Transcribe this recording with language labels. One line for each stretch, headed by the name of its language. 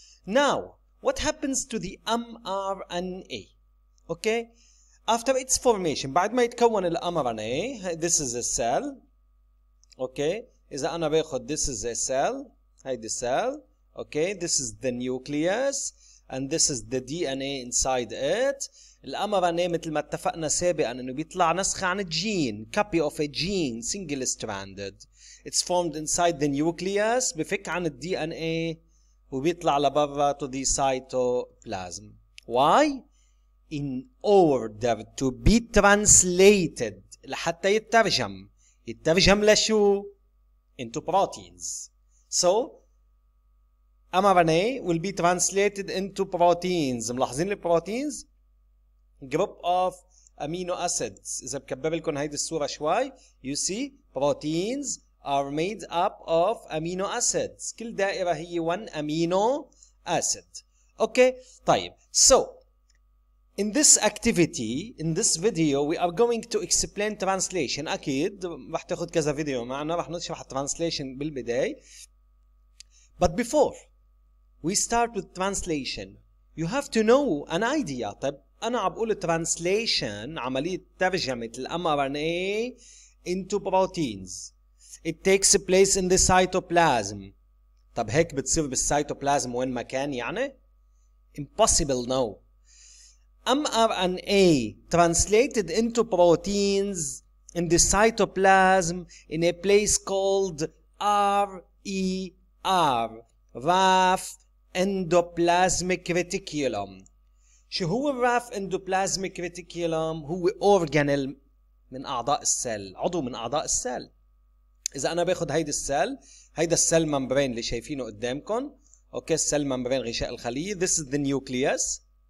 English: Now, what happens to the mRNA? Okay? After its formation,
Arabic: بعد ما يتكون الـ
English: mRNA, this is a cell. Okay?
Arabic: إذا أنا باخد
English: this is a cell.
Arabic: هاي
English: the cell. Okay? This is the nucleus. And this is the DNA inside it.
Arabic: الـ mRNA مثل ما اتفقنا سابقا إنه بيطلع نسخة عن gene.
English: Copy of a gene. Single stranded. It's formed inside the nucleus.
Arabic: بفك عن الـ DNA. وبيطلع لبرا
English: to the cytoplasm. Why? In order to be translated.
Arabic: لحتى يترجم. يترجم لشو?
English: Into proteins. So, mRNA will be translated into proteins.
Arabic: ملاحظين البروتينز?
English: Group of amino acids.
Arabic: إذا بكبر لكم هيدي الصورة شوي.
English: You see, proteins are made up of amino acids.
Arabic: كل دائرة هي
English: one amino acid. Okay, طيب. So, in this activity, in this video, we are going to explain translation.
Arabic: أكيد رح تاخد كذا فيديو معنا رح نشرح translation بالبداية.
English: But before we start with translation, you have to know an idea.
Arabic: طيب أنا عم بقول translation عملية ترجمة الـ mRNA
English: into proteins. It takes place in the cytoplasm.
Arabic: طب هيك بتصير بالcytoplasm وين مكان يعني؟
English: Impossible, no. mRNA translated into proteins in the cytoplasm in a place called RER, RAF endoplasmic reticulum.
Arabic: شو هو RAF endoplasmic reticulum؟ هو organelle من أعضاء السل، عضو من أعضاء السل. إذا أنا باخد هيدي السل، هيدا السل ممبرين اللي شايفينه قدامكم، أوكي السل ممبرين غشاء الخلية،
English: this is the nucleus.